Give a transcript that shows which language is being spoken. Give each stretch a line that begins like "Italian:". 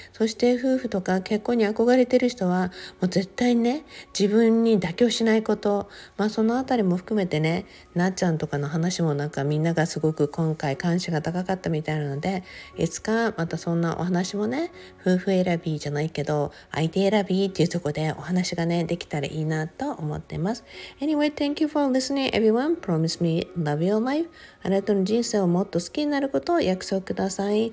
Japanese: そして夫婦とか結婚に憧れてる人は、もう絶対ね、自分に妥協しないこと、まあそのあたりも含めてね、なっちゃんとかの話もなんかみんながすごく今回関心が高かったみたいなので、いつかまたそんなお話もね、夫婦選びじゃないけど相手選びっていうところでお話がねできたらいいなと思ってます。
English: Anyway, thank you for listening everyone. Promise me love your life.
Japanese: あなたの人生をもっと好きになることを約束ください。